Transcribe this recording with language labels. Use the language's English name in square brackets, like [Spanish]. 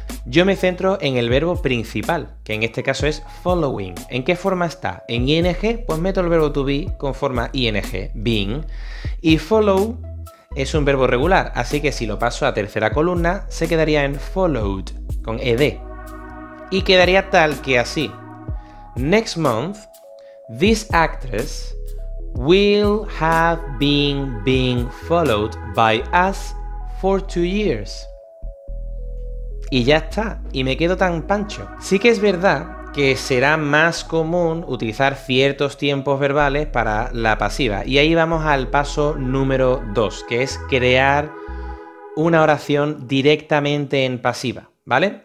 [Spanish] Yo me centro en el verbo principal, que en este caso es following. ¿En qué forma está? ¿En ing? Pues meto el verbo to be con forma ing, being. Y follow es un verbo regular, así que si lo paso a tercera columna, se quedaría en followed. Con ed. Y quedaría tal que así. [English] Next month, this actress will have been followed by us for 2 years. [Spanish] Y ya está. Y me quedo tan pancho. Sí que es verdad que será más común utilizar ciertos tiempos verbales para la pasiva. Y ahí vamos al paso número 2, que es crear una oración directamente en pasiva. ¿Vale?